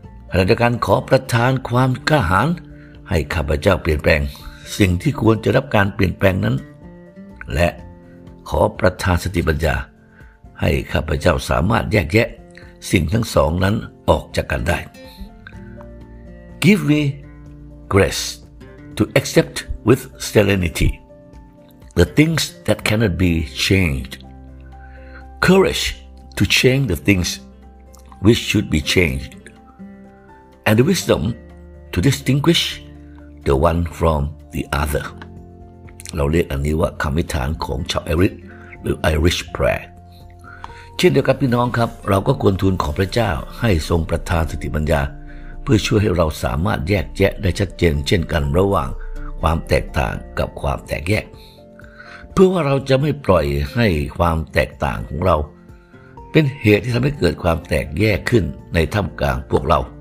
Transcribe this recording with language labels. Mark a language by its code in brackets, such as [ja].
[th] ขณะเดียวกันขอประทานความกล้าหาญให้ข้าพเจ้าเปลี่ยนแปลงสิ่งที่ควรจะรับการเปลี่ยนแปลงนั้นและขอประทานสติปัญญาให้ข้าพเจ้าสามารถแยกแยะสิ่งทั้งสองนั้นออกจากกันได้ [en] Give me grace to accept with serenityThe things that cannot be changed. Courage to change the things which should be changed. And wisdom to distinguish the one from the other. [th] เราเรียกอันนี้ว่าคำอธิษฐานของชาวไอริชหรือ Irish Prayer. เช่นเดียวกับพี่น้องครับเราก็ควรทูลขอพระเจ้าให้ทรงประทานสติปัญญาเพื่อช่วยให้เราสามารถแยกแยะได้ชัดเจนเช่นกันระหว่างความแตกต่างกับความแตกแยกเพื่อว่าเราจะไม่ปล่อยให้ความแตกต่างของเราเป็นเหตุที่ทำให้เกิดความแตกแยกขึ้นในท่ามกลางพวกเรา